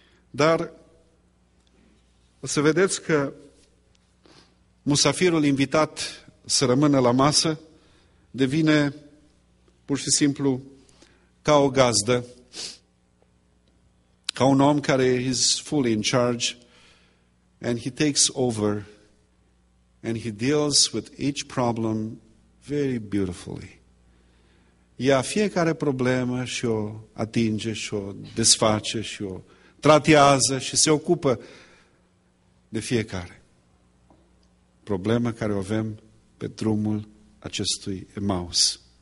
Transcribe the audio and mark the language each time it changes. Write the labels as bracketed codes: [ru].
[ro] Dar o să vedeți că musafirul invitat să rămână la masă devine pur și simplu ca o gazdă, ca un om care [en] is fully in charge, And he takes over and he deals with each problem very beautifully. [ro] Ia fiecare problemă și o atinge și o desface și o tratează și se ocupă de fiecare problemă care o avem pe drumul acestui Emaus.